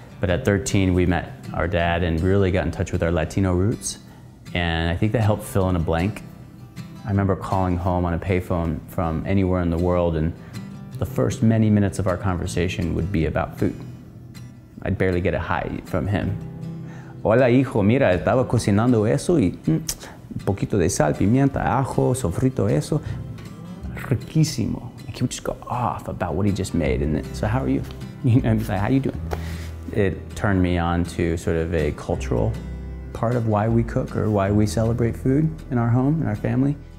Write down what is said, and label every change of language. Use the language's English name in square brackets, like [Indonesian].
[English] But at 13, we met our dad and really got in touch with our Latino roots. And I think that helped fill in a blank. I remember calling home on a payphone from anywhere in the world, and the first many minutes of our conversation would be about food. I'd barely get a hi from him. [Spanish] Hola, hijo, mira, estaba cocinando eso y un poquito de sal, pimienta, ajo, sofrito eso. Riquísimo. [English] He would just go off about what he just made. And then, so how are you? You know, he's like, how you doing? It turned me on to sort of a cultural part of why we cook or why we celebrate food in our home, in our family.